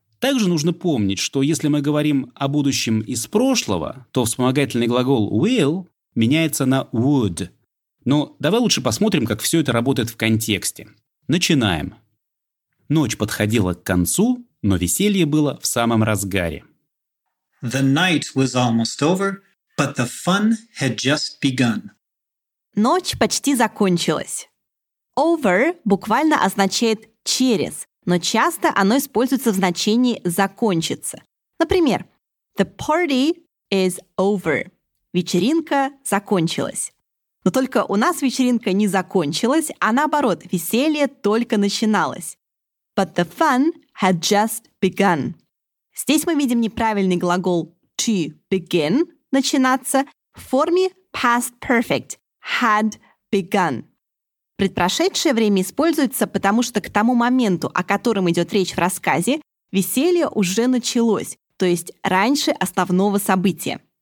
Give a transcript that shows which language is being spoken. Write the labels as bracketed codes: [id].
[ru] Также нужно помнить, что если мы говорим о будущем из прошлого, то вспомогательный глагол will меняется на would. Но давай лучше посмотрим, как все это работает в контексте. Начинаем. Ночь подходила к концу, но веселье было в самом разгаре. [en] The night was almost over, but the fun had just begun. [ru] Ночь почти закончилась. Over буквально означает «через», но часто оно используется в значении «закончится». Например, [en] the party is over. [ru] Вечеринка закончилась. Но только у нас вечеринка не закончилась, а наоборот, веселье только начиналось. [en] But the fun had just begun. [ru] Здесь мы видим неправильный глагол to begin, начинаться, в форме past perfect, had begun. Предпрошедшее время используется, потому что к тому моменту, о котором идет речь в рассказе, веселье уже началось, то есть раньше основного события.